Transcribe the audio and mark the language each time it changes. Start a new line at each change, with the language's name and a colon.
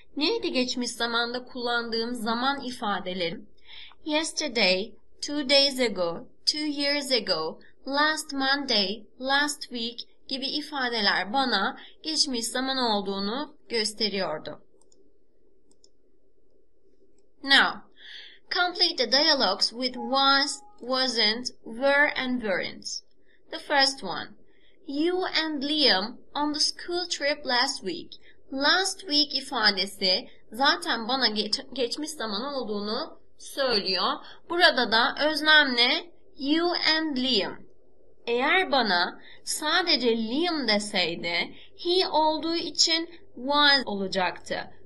Turkish: Neydi geçmiş zamanda kullandığım zaman ifadelerim?
English: Yesterday, 2 days ago, 2 years ago, last Monday, last week
Turkish: gibi ifadeler bana geçmiş zaman olduğunu gösteriyordu.
English: Now, complete the dialogues with was, wasn't, were and weren't. The first one. You and Liam on the school trip last week. Last week
Turkish: ifadesi zaten bana geçmiş zaman olduğunu söylüyor. Burada da öznem ne? You and Liam. Eğer bana sadece Liam deseydi, he olduğu için was olacaktı.